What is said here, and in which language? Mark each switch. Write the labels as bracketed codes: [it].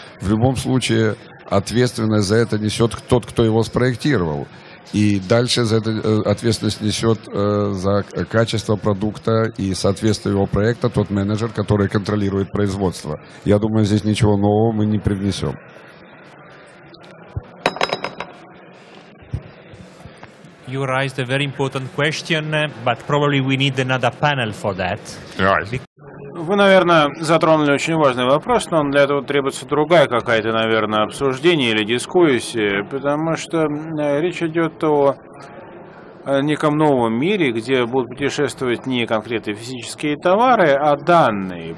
[ru] В любом случае, ответственность за это несет тот, кто его спроектировал. И дальше за это ответственность несет за качество продукта и соответствие его проекта тот менеджер, который контролирует производство. Я думаю, здесь ничего нового мы не привнесем. [en] You raised a very important question, but probably we need another panel for that. [ru] Вы, наверное, затронули очень важный вопрос, но для этого требуется другая какая-то, наверное, обсуждение или дискуссия, потому что речь идет о неком новом мире, где будут путешествовать не конкретные физические товары, а данные.